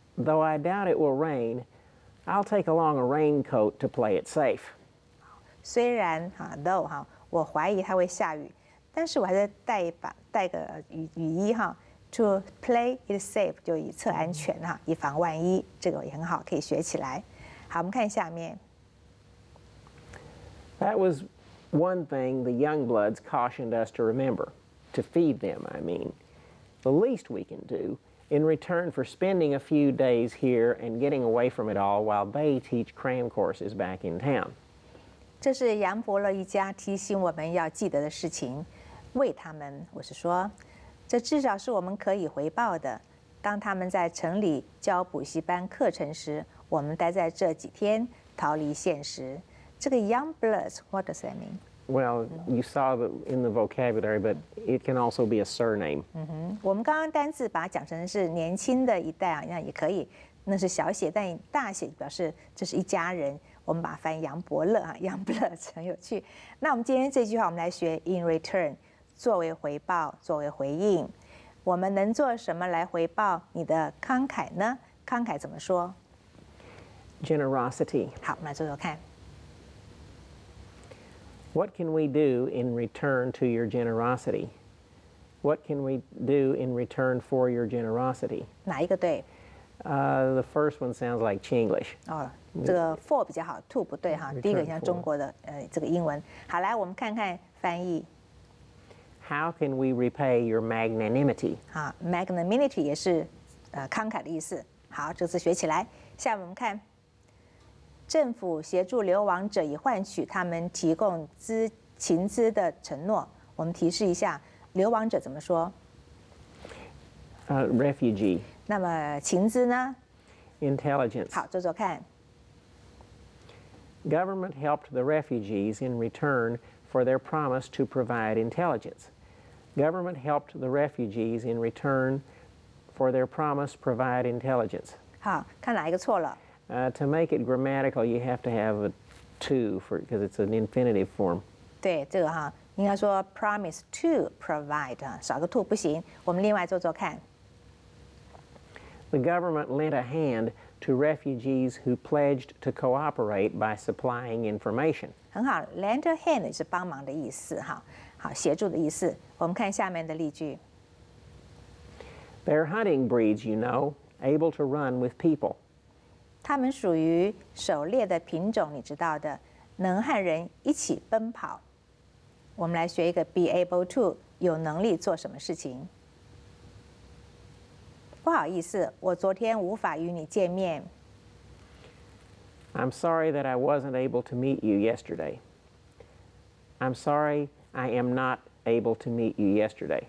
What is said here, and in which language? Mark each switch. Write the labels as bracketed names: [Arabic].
[English] Though I doubt it will rain, I'll take along a raincoat to play it safe. [Chinese] 虽然哈 though 哈，我怀疑它会下雨，但是我还是带个雨衣哈 ， [English] to play it safe [Chinese] 就以测安全哈，以防万一，这个也很好，可以学起来。好，我们看下面。 [English] That was one thing the young bloods cautioned us to remember, to feed them. I mean, the least we can do in return for spending a few days here and getting away from it all while they teach cram courses back in town. [Chinese] 这是杨伯乐一家提醒我们要记得的事情，喂他们。我是说，这至少是我们可以回报的。当他们在城里教补习班课程时，我们待在这几天，逃离现实。这个 [English] young bloods, what does that mean? Well, you saw that in the vocabulary, but it can also be a surname. [Chinese] 我们刚刚单字把它讲成是年轻的一代啊，那也可以，那是小写，但大写表示这是一家人。我们把它翻译杨伯乐啊 ，young bloods 很有趣。那我们今天这句话，我们来学 [English] in return， [Chinese] 作为回报，作为回应。我们能做什么来回报你的慷慨呢？慷慨怎么说 [English] ？Generosity。 [Chinese] 好，我们来做做看。 [English] What can we do in return to your generosity? What can we do in return for your generosity? [Chinese] 哪一个对？ [English] The first one sounds like Chinglish. [Chinese] 这个 for 比较好 ，to 不对哈。第一个像中国的这个英文。好，来我们看看翻译。 [English] How can we repay your magnanimity? [Chinese] 好 ，magnanimity 也是慷慨的意思。好，这次学起来。下面我们看。政府协助流亡者以换取他们提供情资的承诺。我们提示一下，流亡者怎么说？ [English] Refugee。 [Chinese] 那么情资呢 [English] ？Intelligence。 [Chinese] 好，做做看。 [English] Government helped the refugees in return for their promise to provide intelligence. Government helped the refugees in return for their promise provide intelligence. [Chinese] 好，看哪一个错了？ [English] To make it grammatical, you have to have a to for because it's an infinitive form. [Chinese] 对这个哈，应该说 [English] promise to provide [Chinese] 少个 to 不行。我们另外做做看。 [English] The government lent a hand to refugees who pledged to cooperate by supplying information. [Chinese] 很好 ， [English] lend a hand [Chinese] 是帮忙的意思，哈，好协助的意思。我们看下面的例句。 [English] They're hunting breeds, you know, able to run with people. [Chinese] 他们属于狩猎的品种，你知道的，能和人一起奔跑。我们来学一个 [English] be able to， [Chinese] 有能力做什么事情。不好意思，我昨天无法与你见面。 [English] I'm sorry that I wasn't able to meet you yesterday. I'm sorry I am not able to meet you yesterday.